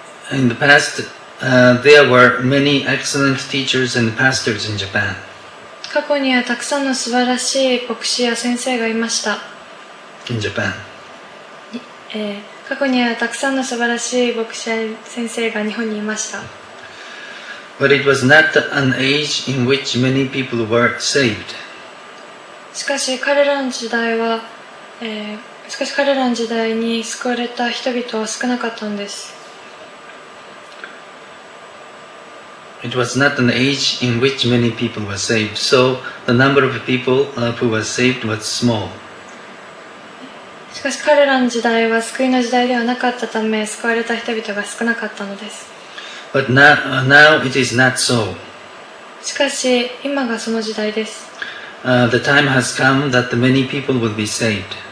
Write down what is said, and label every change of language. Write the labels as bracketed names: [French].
[English] In the past, there were many excellent teachers and pastors in Japan. [Japanese] 過去にはたくさんの素晴らしい牧師や先生がいました。 [English] In Japan. [Japanese] 過去にはたくさんの素晴らしい牧師先生が日本にいました。 [English] But it was not an age in which many people were saved. [Japanese] しかし彼らの時代に救われた人々は少なかったんです。 [English] It was not an age in which many people were saved. So the number of people who were saved was small. [Japanese] しかし彼らの時代は救いの時代ではなかったため救われた人々が少なかったのです。 [English] But now it is not so. [Japanese] しかし今がその時代です。 [English] The time has come that many people will be saved.